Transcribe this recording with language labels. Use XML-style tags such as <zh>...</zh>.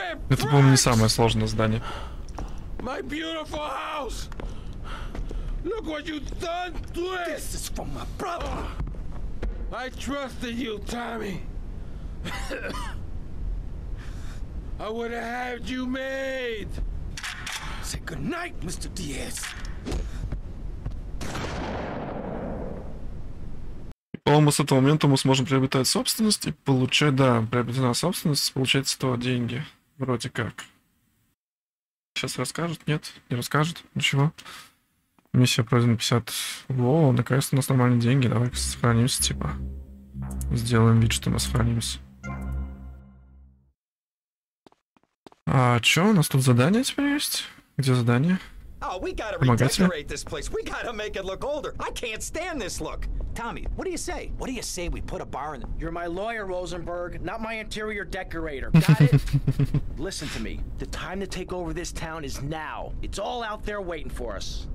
<ru>Это было не самое сложное здание.</ru> <en>My beautiful house! Look what you've done to it! This is for my brother! I trusted you, Tommy! I would have had you made! Say goodnight, Mr. Diaz!</en> <ru>По-моему, с этого момента мы сможем приобретать собственность и получать, да, приобретена собственность, получать 100 деньги. Вроде как. Сейчас расскажет? Нет, не расскажет. Ничего. Миссия пройдена 50. Во, наконец-то у нас нормальные деньги. Давай сохранимся, типа. Сделаем вид, что мы сохранимся. А что, у нас тут задание теперь есть? Где задание?</ru> <en>Oh, we gotta redecorate this place. We gotta make it look older. I can't stand this look. Tommy, what do you say? What do you say we put a bar in? You're my lawyer, Rosenberg, not my interior decorator. Got it? Listen to me. The time to take over this town is now. It's all out there waiting for us.</en>